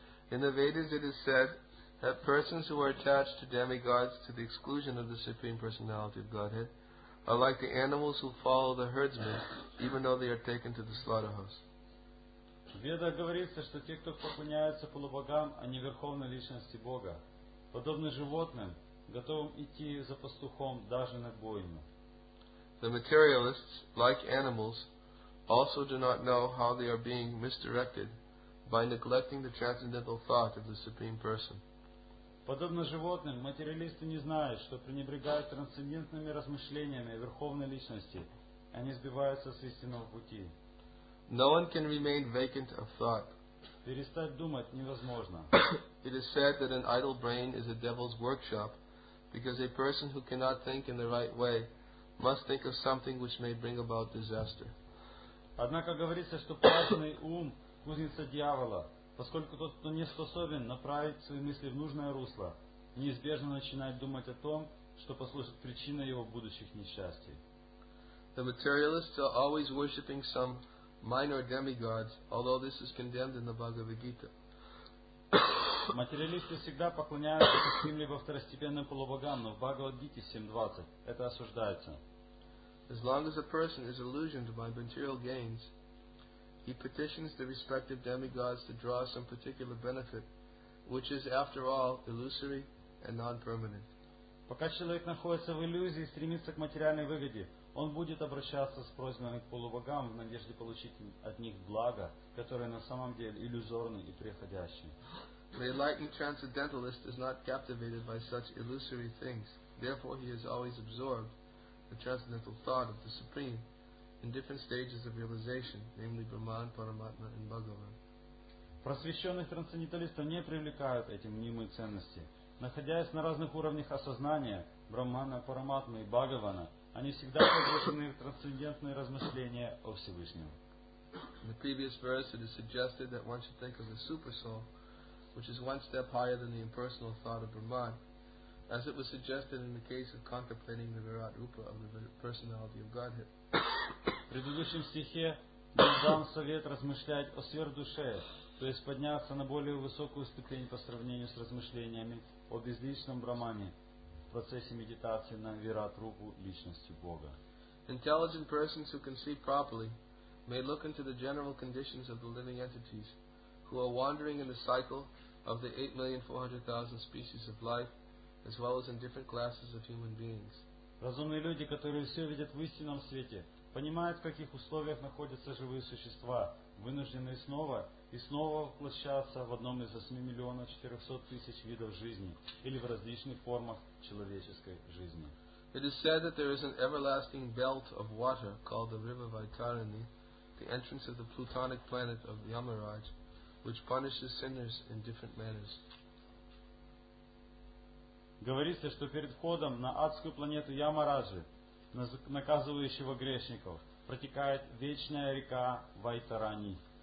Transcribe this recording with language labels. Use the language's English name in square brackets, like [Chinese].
[English] In the Vedas it is said that persons who are attached to demigods to the exclusion of the Supreme Personality of Godhead are like the animals who follow the herdsmen even though they are taken to the slaughterhouse. [Russian] Веда говорится, что те, кто поклоняется полубогам, а не верховной личности Бога, подобны животным, готовым идти за пастухом даже на бойню. [English] The materialists, like animals, also do not know how they are being misdirected by neglecting the transcendental thought of the Supreme Person. [Russian] Подобно животным, материалисты не знают, что пренебрегают трансцендентными размышлениями о Верховной Личности, они сбиваются с истинного пути. [English] No one can remain vacant of thought. [Russian] Перестать думать невозможно. [English] It is said that an idle brain is a devil's workshop, because a person who cannot think in the right way must think of something which may bring about disaster. [Russian] Однако говорится, что праздный ум – кузница дьявола, поскольку тот, кто не способен направить свои мысли в нужное русло, неизбежно начинает думать о том, что послужит причиной его будущих несчастий. [English] The materialists are always worshipping some minor demigods, although this is condemned in the Bhagavad Gita. [Russian] Материалисты всегда поклоняются каким-либо второстепенным полубогам, но в Бхагавад-гите 7.20 это осуждается. [English] As long as a person is illusioned by material gains, he petitions the respective demigods to draw some particular benefit, which is, after all, illusory and non-permanent. [Russian] Пока человек находится в иллюзии и стремится к материальной выгоде, он будет обращаться с просьбами к полубогам в надежде получить от них благо, которое на самом деле иллюзорно и преходящее. [English] The enlightened transcendentalist is not captivated by such illusory things. Therefore, he is always absorbed in the transcendental thought of the Supreme in different stages of realization, namely Brahman, Paramatma, and Bhagavan. [Russian] Просвещенных трансценденталистов не привлекают эти мнимые ценности. Находясь на разных уровнях осознания Брахмана, Параматмы и Бхагавана, они всегда погружены в трансцендентные размышления о Всевышнем. [English] In the previous verse, it is suggested that one should think of the super soul, which is one step higher than the impersonal thought of Brahman, as it was suggested in the case of contemplating the Virat Rupa of the Personality of Godhead. [Russian] В предыдущем стихе был дан совет размышлять о сверхдуше, то есть подняться на более высокую ступень по сравнению с размышлениями о безличном Брахмане в процессе медитации на Вират Рупу Личности Бога. [English] Intelligent persons who can see properly may look into the general conditions of the living entities who are wandering in the cycle of the 8,400,000 species of life, as well as in different classes of human beings. [Russian] Разумные люди, которые все видят в истинном свете, понимают, в каких условиях находятся живые существа, вынужденные снова и снова воплощаться в одном из 8,400,000 видов жизни или в различных формах человеческой жизни. [English] It is said that there is an everlasting belt of water called the River Vaitarani, the entrance of the plutonic planet of Yamaraj, which punishes sinners in different manners. [Russian] Говорится, что перед входом на адскую планету Ямараджи, наказывающего грешников, протекает вечная река Вайтарани.